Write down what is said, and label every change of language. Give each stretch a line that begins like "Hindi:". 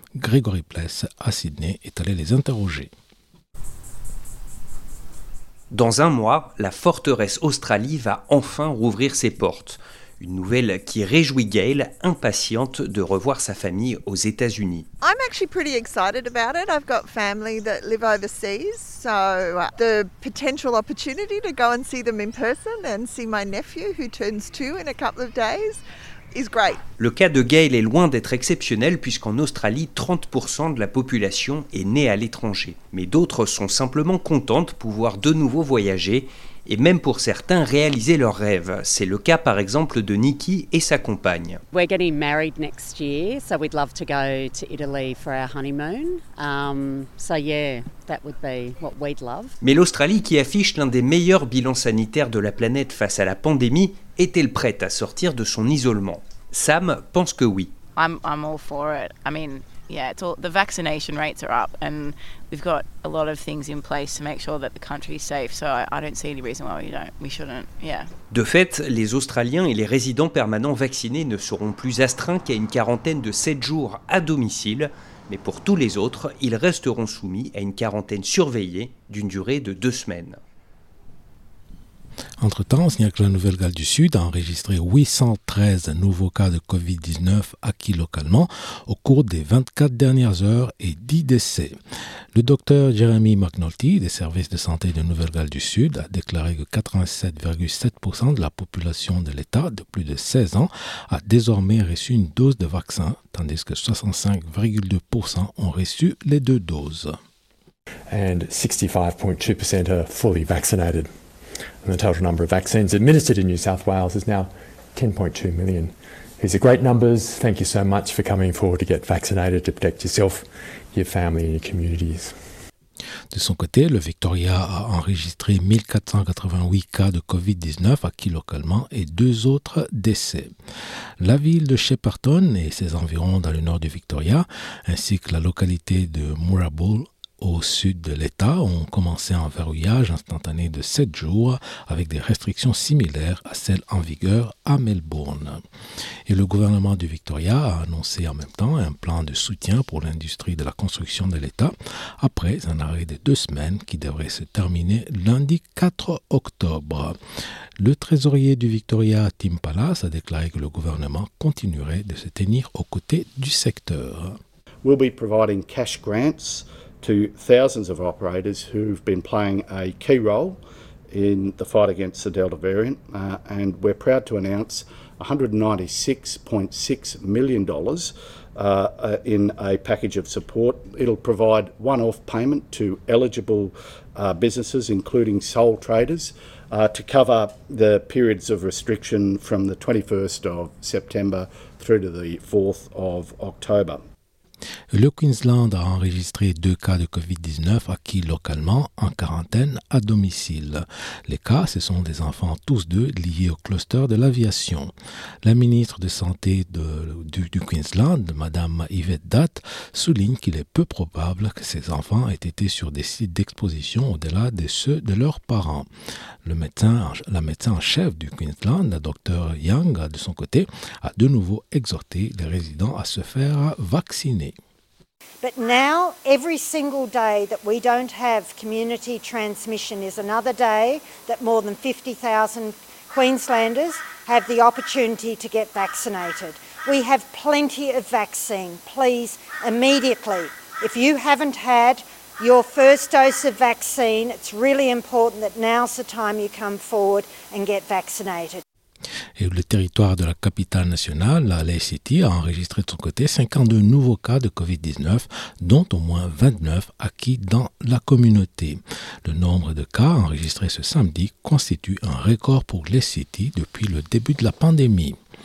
French: Grégory Pless, à Sydney, est allé les interroger. Dans un mois, la forteresse Australie va enfin rouvrir ses portes. Une nouvelle qui réjouit Gail, impatiente de revoir sa famille aux États-Unis.
English: I'm actually pretty excited about it. I've got family that live overseas, so the potential opportunity to go and see them in person and see my nephew who turns 2 in a couple of days is great.
French: Le cas de Gail est loin d'être exceptionnel puisqu'en Australie, 30% de la population est née à l'étranger. Mais d'autres sont simplement contentes de pouvoir de nouveau voyager. Et même pour certains, réaliser leurs rêves. C'est le cas, par exemple, de Nikki et sa compagne.
English: We're getting married next year, so we'd love to go to Italy for our honeymoon. That would be what we'd love.
French: Mais l'Australie, qui affiche l'un des meilleurs bilans sanitaires de la planète face à la pandémie, est-elle prête à sortir de son isolement? Sam pense que oui.
English: I'm all for it. I mean, yeah, it's all, the vaccination rates are up and we've got a lot of things in place to make sure that the country is safe, so I don't see any reason why we shouldn't. Yeah.
French: De fait, les Australiens et les résidents permanents vaccinés ne seront plus astreints qu'à une quarantaine de 7 jours à domicile, mais pour tous les autres, ils resteront soumis à une quarantaine surveillée d'une durée de 2 semaines. Entre-temps, on signale que la Nouvelle-Galles du Sud a enregistré 813 nouveaux cas de COVID-19 acquis localement au cours des 24 dernières heures et 10 décès. Le docteur Jeremy McNulty, des services de santé de Nouvelle-Galles du Sud, a déclaré que 87,7% de la population de l'État de plus de 16 ans a désormais reçu une dose de vaccin, tandis que 65,2% ont reçu les deux doses.
English: And 65.2% are fully vaccinated. And the total number of vaccines administered in New South Wales is now 10.2 million. These are great numbers. Thank you so much for coming forward to get vaccinated to protect yourself, your family and your communities.
French: De son côté, le Victoria a enregistré 1488 cas de COVID-19 acquis localement et deux autres décès. La ville de Shepparton et ses environs dans le nord du Victoria, ainsi que la localité de Moorabool, au sud de l'État ont commencé un verrouillage instantané de 7 jours avec des restrictions similaires à celles en vigueur à Melbourne. Et le gouvernement du Victoria a annoncé en même temps un plan de soutien pour l'industrie de la construction de l'État après un arrêt de 2 semaines qui devrait se terminer lundi 4 octobre. Le trésorier du Victoria, Tim Pallas, a déclaré que le gouvernement continuerait de se tenir aux côtés du secteur.
English: We'll be providing cash grants to thousands of operators who've been playing a key role in the fight against the Delta variant. And we're proud to announce $196.6 million in a package of support. It'll provide one-off payment to eligible businesses, including sole traders, to cover the periods of restriction from the 21st of September through to the 4th of October.
French: Le Queensland a enregistré 2 cas de COVID-19 acquis localement en quarantaine à domicile. Les cas, ce sont des enfants, tous deux liés au cluster de l'aviation. La ministre de Santé du Queensland, Mme Yvette Datt, souligne qu'il est peu probable que ces enfants aient été sur des sites d'exposition au-delà de ceux de leurs parents. La médecin en chef du Queensland, la Dr Young, de son côté, a de nouveau exhorté les résidents à se faire vacciner.
English: But now, every single day that we don't have community transmission is another day that more than 50,000 Queenslanders have the opportunity to get vaccinated. We have plenty of vaccine. Please, immediately, if you haven't had your first dose of vaccine, it's really important that now's the time you come forward and get vaccinated.
French: Et le territoire de la capitale nationale, la Lake City, a enregistré de son côté 52 nouveaux cas de COVID-19, dont au moins 29 acquis dans la communauté. Le nombre de cas enregistrés ce samedi constitue un record pour Lake City depuis le début de la pandémie.